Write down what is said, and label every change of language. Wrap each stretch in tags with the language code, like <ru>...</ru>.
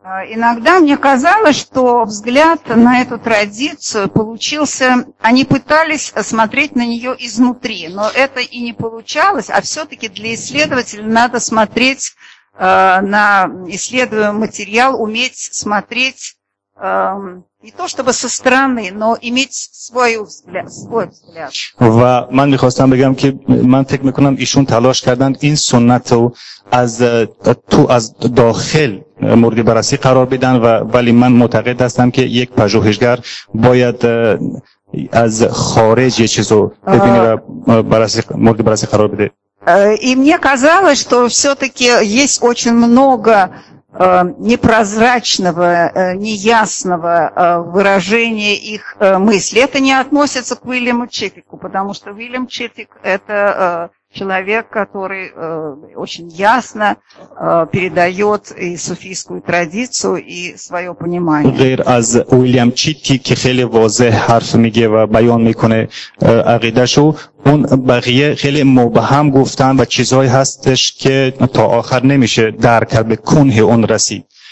<ru>Иногда мне казалось, что взгляд на эту традицию получился, они пытались смотреть на нее изнутри, но это и не получалось, а все-таки для исследователя надо смотреть на исследуемый материал, уметь смотреть не то чтобы со стороны, но иметь свой взгляд.</ru> <fa>Ва ман михостам бегам ки ман фикр мекунам ишун талош карданд ин суннату аз ту аз дохил مورد بررسی قرار بدن و ولی من معتقد هستم که یک پژوهشگر باید از خارج یه چیزو ببینه و مورد بررسی قرار بده.</fa> <ru>И мне казалось, что все-таки есть очень много непрозрачного, неясного выражения их мысли. Это не относится к Уильяму Читику, потому что Уильям Читик это человек, который очень ясно передает и суфийскую традицию, и свое понимание.</ru> <fa>غیر از ویلیام چیتی که خیلی واضح حرف میگه و بیان میکنه عقیده‌شو، اون بقیه خیلی مبهم گفتن و چیزهایی هستش که تا آخر نمیشه درک کرد به کنه اون رسید.</fa>